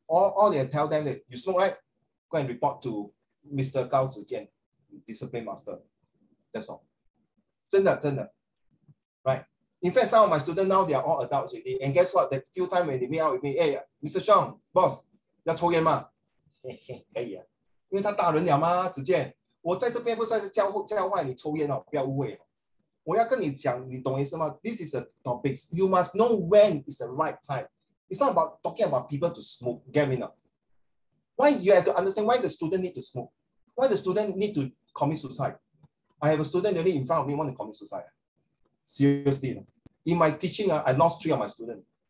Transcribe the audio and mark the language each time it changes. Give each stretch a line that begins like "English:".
English: All they tell them that you smoke, right? Go and report to Mr. Gao Zijian, discipline master. That's all.
Chinese: 真的,真的.
English: Right. In fact, some of my students now, they are all adults. Already. And guess what? That few times when they meet out with me, hey, Mr.
Chinese: Xiong, boss, 要抽烟吗?可以啊.因为他大人了吗? 子健, 我在这边不是在教坏你抽烟哦,不要误会哦. 我要跟你讲, 你懂意思吗?
English: This is a topic. You must know when is the right time. It's not about talking about people to smoke. Get me now. Why you have to understand why the student need to smoke? Why the student need to commit suicide? I have a student really in front of me want to commit suicide. Seriously. In my teaching, I lost 3 of my students.